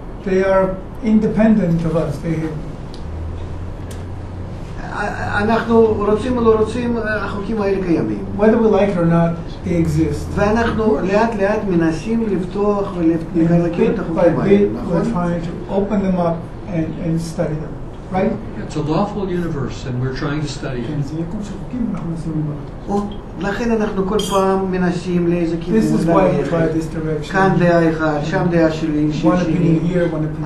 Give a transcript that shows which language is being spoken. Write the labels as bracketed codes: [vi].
[en] They are independent of us. [he] אנחנו רוצים או לא רוצים, החוקים האלה קיימים. [en] Whether we like it or not, they exist. [he] ואנחנו לאט לאט מנסים לפתוח ולהכיר את החוקים האלה. [en] We're trying to open them up and study them. Right? It's a lawful universe and we're trying to study it. [he] לכן אנחנו כל פעם מנסים לאיזה כיוון. [en] This is why we try this direction. [he] כאן דעה אחד, שם דעה שלי. [en] One opinion here, one opinion there.